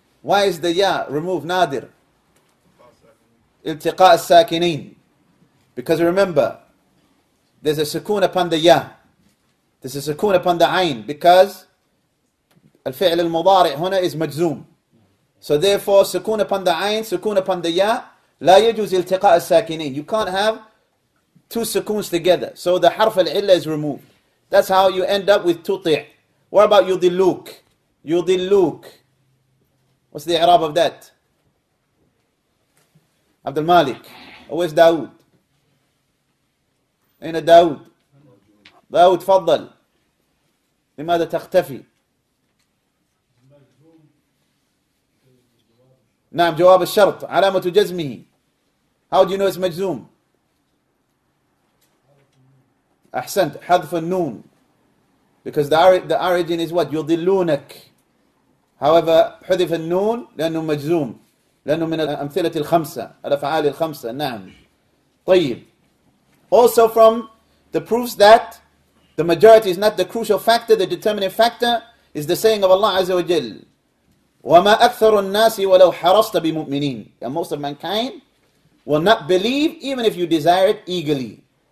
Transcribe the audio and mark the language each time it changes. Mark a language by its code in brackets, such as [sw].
[en] Why is the ya remove [ar] نادر؟ التقاء الساكنين. [en] Because remember, there's a sukun upon the ya. There's a sukun upon the عين. Because [ar] الفعل المضارع هنا [en] is [ar] مجزوم. [en] So therefore, sukun upon the عين, sukun upon the ya, [ar] لا يجوز التقاء الساكنين. [en] You can't have two sukuns together. So the حرف العلة is removed. That's how you end up with تطيع. What about يضلوك? [ar] يضلوك. [en] What's the إعراب of that? [ar] عبد المالك. Where's داود? أين داود؟ داود فضل. لماذا تختفي؟ نعم جواب الشرط. علامة جزمه. [en] How do you know it's [ar] مجزوم؟ أحسنت. حذف النون. [en] Because the origin is what? [ar] يضلونك. [en] However, [ar] حذف النون لأنه مجزوم. لأنه من الأمثلة الخمسة. الأفعال الخمسة. نعم. طيب. [en] Also from the proofs that the majority is not the crucial factor, the determining factor is the saying of Allah Azza wa Jal. [ar] وَمَا أَكْثَرُ النَّاسِ وَلَوْ حَرَصْتَ بِمُؤْمِنِينَ. [en] And most of mankind will not believe even if you desire it eagerly.